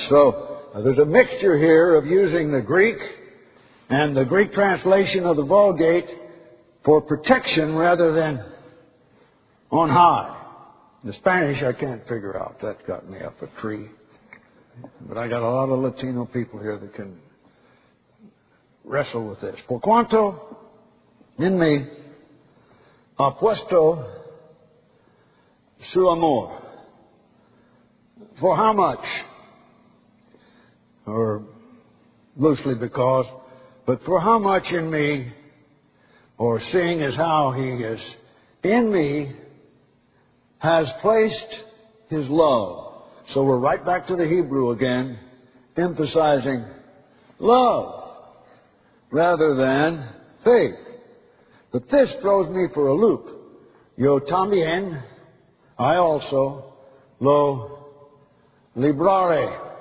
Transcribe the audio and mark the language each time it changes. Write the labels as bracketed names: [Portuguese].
[English] So there's a mixture here of using the Greek and the Greek translation of the Vulgate for protection rather than on high. The Spanish I can't figure out. That got me up a tree. But I got a lot of Latino people here that can wrestle with this. [Spanish] Por cuanto en mí ha puesto su amor. [English] For how much? Or loosely because, but for how much in me, or seeing as how he is in me, has placed his love. So we're right back to the Hebrew again, emphasizing love rather than faith. But this throws me for a loop. [Spanish] Yo también, [English] I also, [Spanish] lo libraré.